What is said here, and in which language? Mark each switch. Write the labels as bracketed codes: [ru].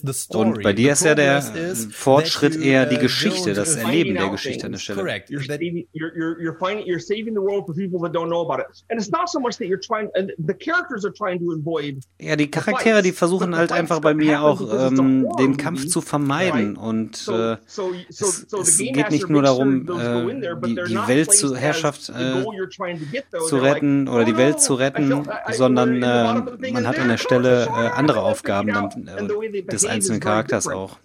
[de] Und bei dir ist ja der Fortschritt eher die Geschichte, das Erleben der Geschichte an der Stelle. [en] You're saving the world for people that don't know about it. And it's not so much that you're trying, and the characters are trying to avoid. [de] Ja, die Charaktere, die versuchen halt einfach bei mir auch den Kampf zu vermeiden und es geht nicht nur darum, die Welt zu Herrschaft zu retten oder die Welt zu retten, sondern man hat an der Stelle andere Aufgaben dann des einzelnen Charakters auch.